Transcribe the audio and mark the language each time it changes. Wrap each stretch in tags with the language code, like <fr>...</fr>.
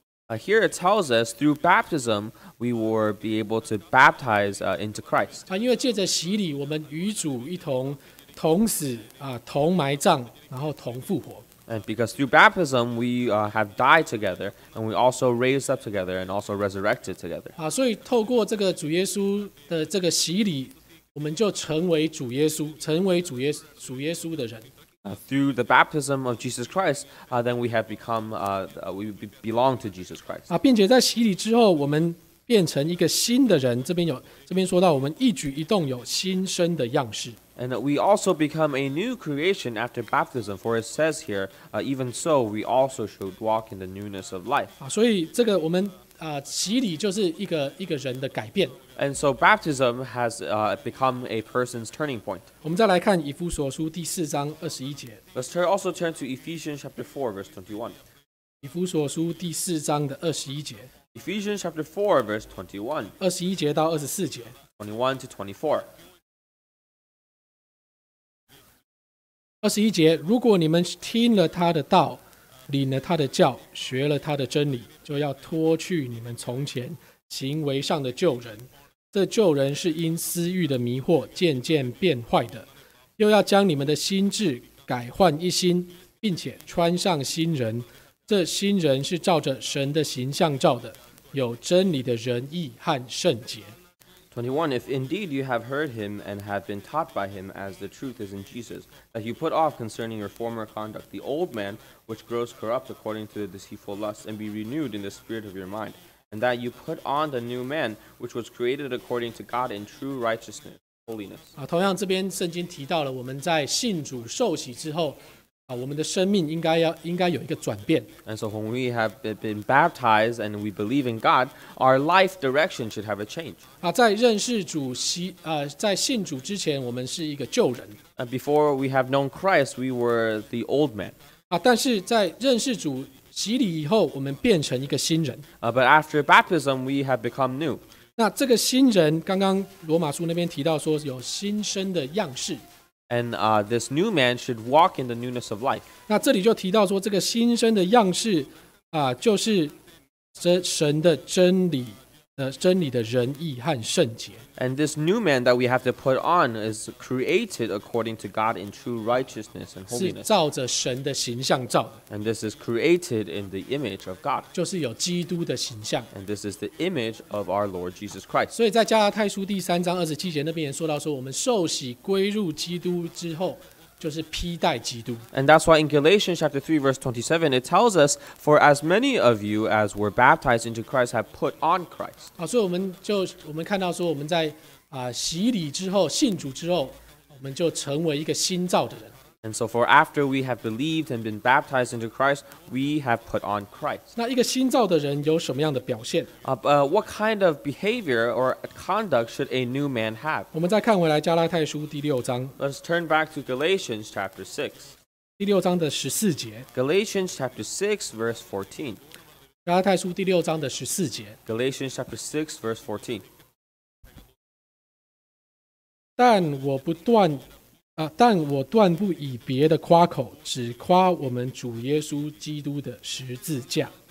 <en>Here it tells us through baptism, we will be able to baptize into Christ.</en> <zh>因为借着洗礼，我们与主一同同死同埋葬，然后同复活。</zh> <en>And because through baptism, we have died together, and we also raised up together, and also resurrected together.</en> <zh>所以透过这个主耶稣的这个洗礼，我们就成为主耶稣，成为主耶稣的人。</zh> <en>Through the baptism of Jesus Christ, then we have become, we belong to Jesus Christ.</en> <zh>并且在洗礼之后，我们变成一个新的人。这边说到，我们一举一动有新生的样式。</zh> <en>And we also become a new creation after baptism, for it says here, even so, we also should walk in the newness of life.</en> <zh>所以这个我们洗礼就是一个人的改变。</zh> <en>And so baptism has become a person's turning point.</en> <zh>我们再来看以弗所书第四章二十一节。</zh> <en>Let's also turn to Ephesians chapter 4, verse 21.</en> <zh>以弗所书第四章的二十一节。</zh> <en>Ephesians chapter 4, verse 21.</en> <zh>二十一节到二十四节。</zh> <en>21 to 24.</en> <zh>21节，如果你们听了他的道，领了他的教，学了他的真理，就要脱去你们从前行为上的旧人，这旧人是因私欲的迷惑渐渐变坏的，又要将你们的心智改换一新，并且穿上新人，这新人是照着神的形象造的，有真理的仁义和圣洁。</zh> <en>21. If indeed you have heard him and have been taught by him as the truth is in Jesus, that you put off concerning your former conduct the old man which grows corrupt according to the deceitful lusts, and be renewed in the spirit of your mind, and that you put on the new man which was created according to God in true righteousness, holiness.</en> <zh>同样这边圣经提到了我们在信主受洗之后我们的生命应该有一个转变。</zh> <en>And so when we have been baptized and we believe in God, our life direction should have a change.</en> <zh>在认识主习在信主之前我们是一个旧人。</zh> <en>And before we have known Christ, we were the old man.</en> <zh>但是在认识主洗礼以后我们变成一个新人。</zh> <en>But after baptism, we have become new.</en> <zh>那这个新人刚刚罗马书那边提到说有新生的样式。</zh> <en>And this new man should walk in the newness of life.</en> <zh>那这里就提到说这个新生的样式就是神的真理真理的仁义和圣洁。</zh> <en>And this new man that we have to put on is created according to God in true righteousness and holiness.</en> <zh>是照着神的形象造的。</zh> <en>And this is created in the image of God.</en> <zh>就是有基督的形象。</zh> <en>And this is the image of our Lord Jesus Christ.</en> <zh>所以在加拉太书第三章二十七节那边也说到说我们受洗归入基督之后就是披戴基督。</zh> <en>And that's why in Galatians chapter 3 verse 27 it tells us, for as many of you as were baptized into Christ have put on Christ.</en> <zh>所以我们看到说我们在洗礼之后信主之后我们就成为一个新造的人。</zh> <en>And so for after we have believed and been baptized into Christ, we have put on Christ.</en> <zh>那一个新造的人有什么样的表现？</zh> <en>What kind of behavior or conduct should a new man have?</en> <zh>我们再看回来加拉太书第六章。</zh> <en>Let's turn back to Galatians chapter 6.</en> <zh>第六章的十四节。</zh> <en>Galatians chapter 6 verse 14.</en> <zh>加拉太书第六章的十四节。</zh> <en>Galatians chapter 6 verse 14.</en> <zh>但我不断但我断不以别的夸口，只夸我们主耶稣基督的十字架。</zh>